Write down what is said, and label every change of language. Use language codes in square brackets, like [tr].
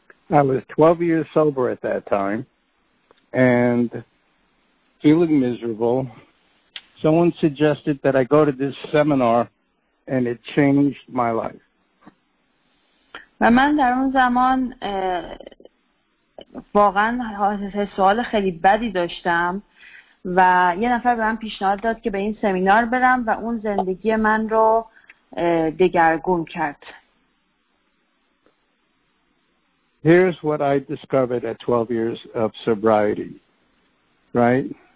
[en] I was 12 years sober at that time. And feeling miserable, someone suggested that I go to this seminar, and it changed my life. [fa] و من در اون زمان واقعا سوال خیلی بدی داشتم و یه نفر به من پیشنهاد داد که به این سمینار برم و اون زندگی من رو دگرگون کرد. [en] Here's what I discovered at 12 years of sobriety, right?